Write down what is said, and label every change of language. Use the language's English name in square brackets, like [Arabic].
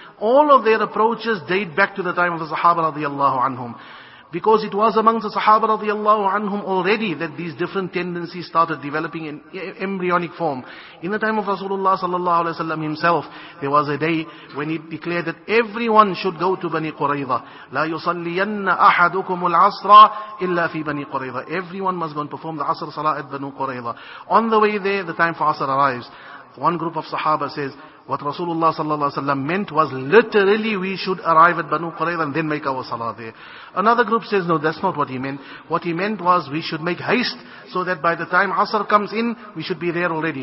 [English] All of their approaches date back to the time of the Sahaba radiyallahu anhum. Because it was amongst the Sahaba radiallahu anhum already that these different tendencies started developing in embryonic form. In the time of Rasulullah sallallahu alaihi wasallam himself, there was a day when he declared that everyone should go to Bani Qurayza. [Arabic] لا يصلين أحدكم العصر إلا في بني قريظة. [English] Everyone must go and perform the Asr Salah at Bani Qurayza. On the way there, the time for Asr arrives. One group of Sahaba says, what Rasulullah sallallahu alaihi wasallam meant was literally we should arrive at Banu Qurayza and then make our salah there. Another group says, no, that's not what he meant. What he meant was we should make haste so that by the time Asr comes in, we should be there already.